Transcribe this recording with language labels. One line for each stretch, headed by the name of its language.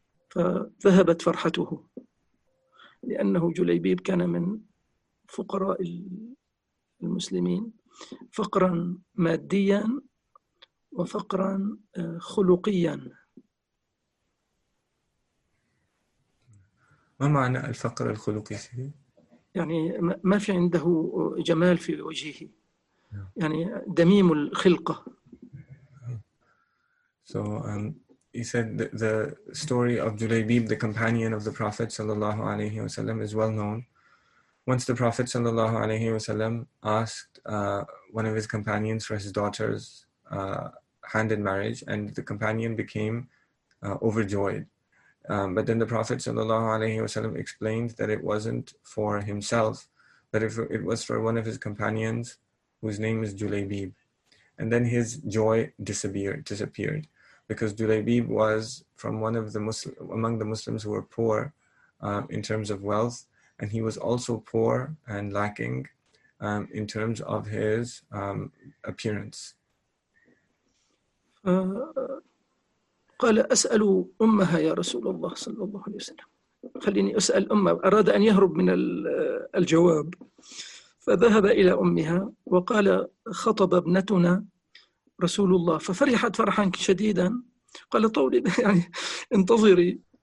Arabic: فذهبت فرحته، لأنه جليبيب كان من فقراء المسلمين، فقرا ماديا وفقرا خلقيا. ما معنى الفقر الخلقي؟ يعني ما في عنده جمال في وجهه، يعني دميم الخلقة.
English: He said the story of Julaybib, the companion of the Prophet sallallahu alaihi wasallam, is well known. Once the Prophet sallallahu alaihi wasallam asked one of his companions for his daughter's hand in marriage, and the companion became overjoyed. But then the Prophet sallallahu alaihi wasallam explained that it wasn't for himself, that it was for one of his companions whose name is Julaybib. And then his joy disappeared. Because Julaybib was from among the Muslims who were poor in terms of wealth, and he was also poor and lacking in terms of his appearance.
Arabic: قال: أسأل أمها يا رسول الله صلى الله عليه وسلم، خليني أسأل أمها. أراد أن يهرب من الجواب، فذهب إلى أمها وقال: خطب ابنتنا رسول الله. ففرحت فرحا شديدا، قال: طولي، يعني انتظري.